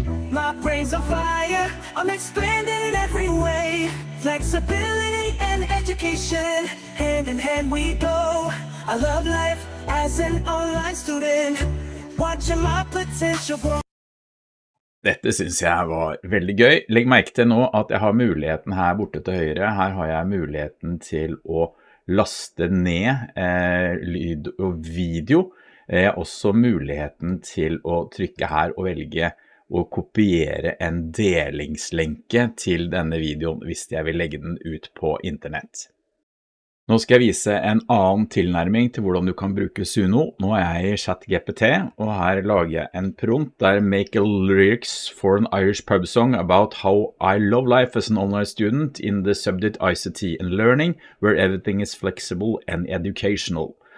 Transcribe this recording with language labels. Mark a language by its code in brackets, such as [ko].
[en] My brain's on fire, I'm expanding in every way. Flexibility and education, hand in hand we go. I love life as an online student, watching my potential grow. [no] Dette synes jeg var veldig gøy. Legg merke til nå at jeg har muligheten her borte til høyre. Her har jeg muligheten til å laste ned lyd og video. Også muligheten til å trykke her og velge å kopiere en delingslenke til denne videoen hvis jeg vil legge den ut på internett. Nå skal jeg vise en annen tilnærming til hvordan du kan bruke Suno. Nå jeg i ChatGPT, og her lager jeg en prompt der [en] make a lyrics for an Irish pub song about how I love life as an online student in the subject ICT and learning, where everything is flexible and educational.